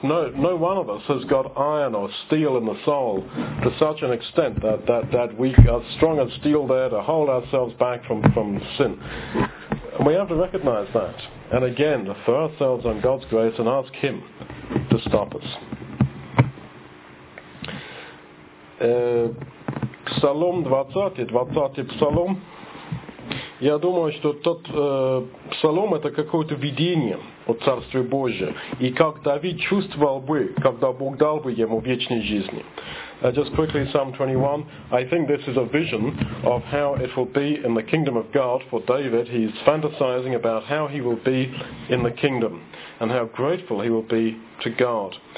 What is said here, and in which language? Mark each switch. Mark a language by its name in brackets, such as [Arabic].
[English] No one of us has got iron or steel in the soul to such an extent that we are strong as steel there to hold ourselves back from sin. And we have to recognize that. And again, to throw ourselves on God's grace and ask Him to stop us. [Russian] Псалом 20-й псалом. Я думаю, что тот псалом — это какое-то видение о Царстве Божьем. И как Давид чувствовал бы, когда Бог дал бы ему вечной жизни. [English] Just quickly, Psalm 21. I think this is a vision of how it will be in the kingdom of God for David. He's fantasizing about how he will be in the kingdom and how grateful he will be to God.